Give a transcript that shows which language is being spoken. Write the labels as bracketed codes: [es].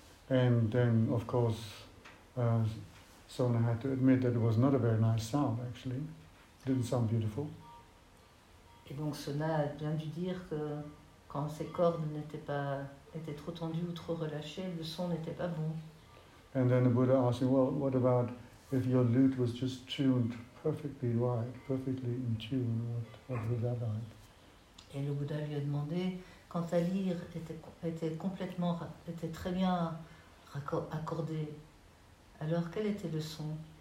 [en] And then, of course, Sona had to admit that it was not a very nice sound, actually. Didn't sound beautiful. [fr] Et donc Sona a bien dû dire que quand ses cordes n'étaient pas étaient trop tendues ou trop relâchées, le son n'était pas bon. [en] And then the Buddha asked him, well, what about if your lute was just tuned perfectly right, perfectly in tune, what would that be like? [fr] Et le Bouddha lui a demandé, quand ta lyre était très bien accordée, alors quel était le son?